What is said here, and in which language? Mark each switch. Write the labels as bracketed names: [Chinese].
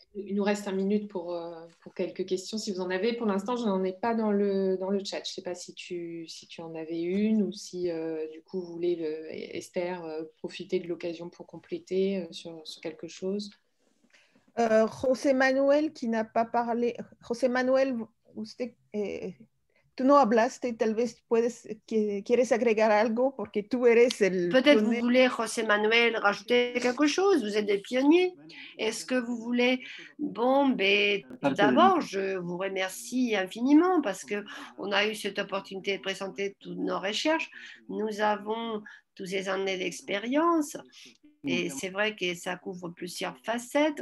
[French] Il nous reste 1 minute pour quelques questions, si vous en avez. Pour l'instant, je n'en ai pas dans le chat. Je ne sais pas si tu en avais une ou si, du coup, vous voulez, Esther, profiter de l'occasion pour compléter sur quelque chose. José Manuel, qui n'a pas parlé. [Spanish] José Manuel, usted, tú no hablaste, tal vez quieres agregar algo, porque tú eres el... [French] Peut-être que vous voulez, José Manuel, rajouter quelque chose. Vous êtes des pionniers. Est-ce que vous voulez... Bon, mais tout d'abord, je vous remercie infiniment parce qu'on a eu cette opportunité de présenter toutes nos recherches. Nous avons tous ces années d'expérience. Et c'est vrai que ça couvre plusieurs facettes.